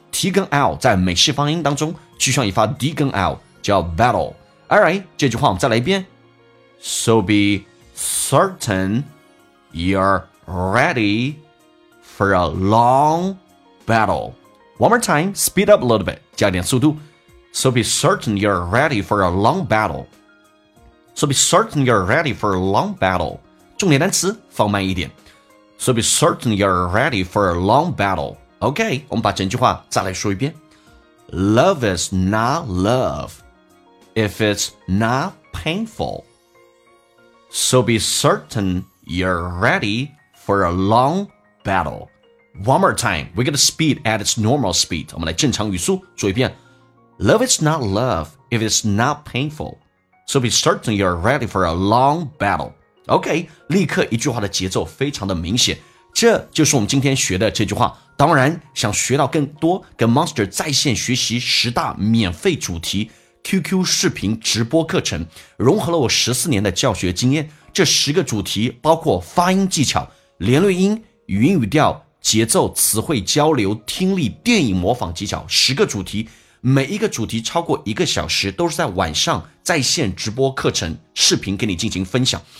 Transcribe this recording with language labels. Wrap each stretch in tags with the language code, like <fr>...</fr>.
<zh>T 跟 L 在美式发音当中去上一发 D 跟 L 叫 battle。 Alright， 这句话我们再来一遍。</zh> <en>So be certain you're ready for a long battle. One more time, speed up a little bit，</en> <zh>加点速度。</zh> <en>So be certain you're ready for a long battle. So be certain you're ready for a long battle.</en> <zh>重点单词放慢一点。</zh> <en>So be certain you're ready for a long battleOK，</en> <zh>我们把整句话再来说一遍。</zh> <en>Love is not love if it's not painful. So be certain you're ready for a long battle. One more time, we're going to speed at its normal speed.</en> <zh>我们来正常语速说一遍。</zh> <en>Love is not love if it's not painful. So be certain you're ready for a long battle.</en> <zh>OK， 立刻一句话的节奏非常的明显。这就是我们今天学的这句话。当然想学到更多跟 Monster 在线学习十大免费主题 QQ 视频直播课程，融合了我14年的教学经验，这十个主题包括发音技巧、连论音、语音语调、节奏、词汇交流、听力、电影模仿技巧，十个主题，每一个主题超过一个小时，都是在晚上在线直播课程视频给你进行分享。</zh>